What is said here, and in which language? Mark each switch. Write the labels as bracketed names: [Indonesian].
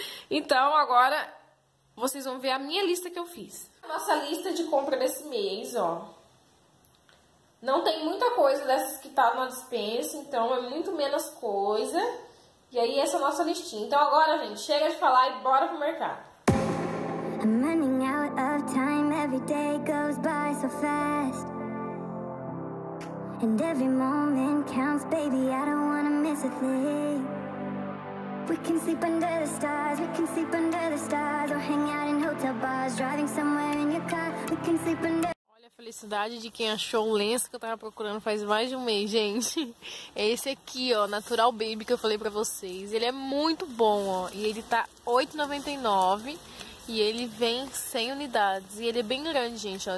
[Portuguese] Então agora vocês vão ver a minha lista que eu fiz. Nossa lista de compra desse mês, ó. Não tem muita coisa dessas que tá na despensa, então é muito menos coisa. E aí essa é a nossa listinha. Então agora, gente, chega de falar e bora pro mercado. [English] I'm running out of time, every day goes by so fast. And every moment counts, baby, I don't wanna miss a thing. We can sleep under the stars, we can sleep under the stars. Or hang out in hotel bars, driving somewhere in your car. We can sleep under... [Portuguese] Olha a felicidade de quem achou o lenço que eu tava procurando faz mais de um mês, gente. É esse aqui, ó, Natural Baby, que eu falei pra vocês. Ele é muito bom, ó, e ele tá R$8,99. E ele vem 100 unidades. E ele é bem grande, gente, ó.